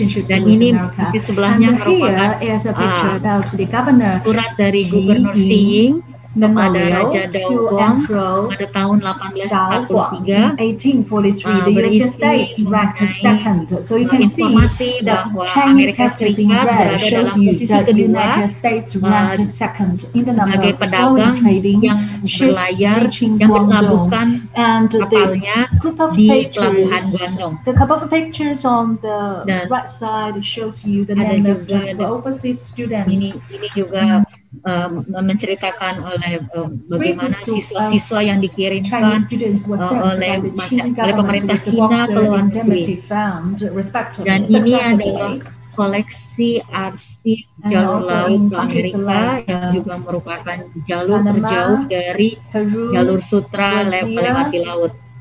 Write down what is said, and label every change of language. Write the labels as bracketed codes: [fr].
[id] Dan ini di sebelahnya merupakan surat dari Gubernur Xi Ying kepada Raja Dao Guang pada tahun 1843 berisi mengenai informasi bahwa Amerika Serikat berada dalam posisi kedua sebagai pedagang yang berlayar yang berlabuhkan kapalnya di Pelabuhan Guangdong. [en] The couple of pictures on the right side shows you the names of the overseas students. [id] Ini juga menceritakan oleh bagaimana siswa-siswa yang dikirimkan oleh pemerintah Cina ke luar negeri. Dan ini adalah koleksi arsip jalur laut Amerika yang juga merupakan jalur terjauh dari jalur sutra melewati laut.